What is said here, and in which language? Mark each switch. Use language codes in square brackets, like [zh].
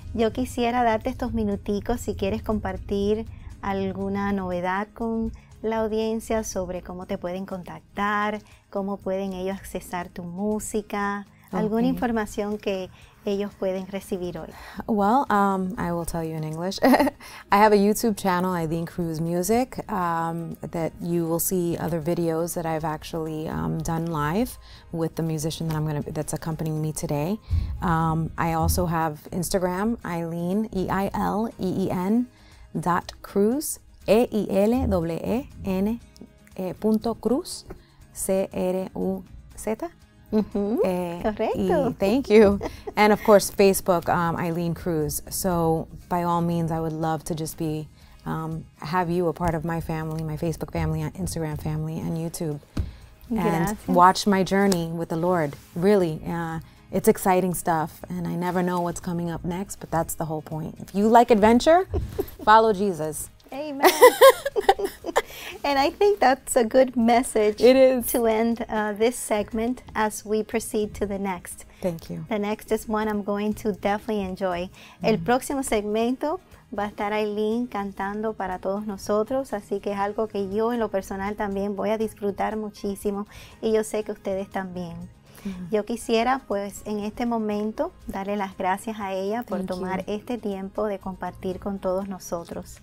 [es] Yo quisiera darte estos minuticos si quieres compartir alguna novedad con la audiencia sobre cómo te pueden contactar, cómo pueden ellos accesar tu música, alguna información que ellos pueden recibir hoy. [en] Well, I will tell you in English. I have a YouTube channel, Aileen Cruz Music, that you will see other videos that I've actually done live with the musician that I'm gonna that's accompanying me today. I also have Instagram, Aileen, E-I-L-E-E-N dot Cruz, E-I-L-E-E-N punto Cruz, C-R-U-Z. [es] Mm-hmm. Correcto. [en] Thank you. And of course, Facebook, Aileen Cruz. So by all means, I would love to just be, have you a part of my family, my Facebook family, Instagram family, and YouTube. [es] Gracias. [en] And watch my journey with the Lord. Really, it's exciting stuff. And I never know what's coming up next, but that's the whole point. If you like adventure, follow Jesus. Amen. And I think that's a good message to end this segment as we proceed to the next. Thank you. The next is one I'm going to definitely enjoy. Mm-hmm. [es] El próximo segmento va a estar Aileen cantando para todos nosotros, así que es algo que yo en lo personal también voy a disfrutar muchísimo, y yo sé que ustedes también. Mm-hmm. Yo quisiera pues en este momento darle las gracias a ella por tomar este tiempo de compartir con todos nosotros.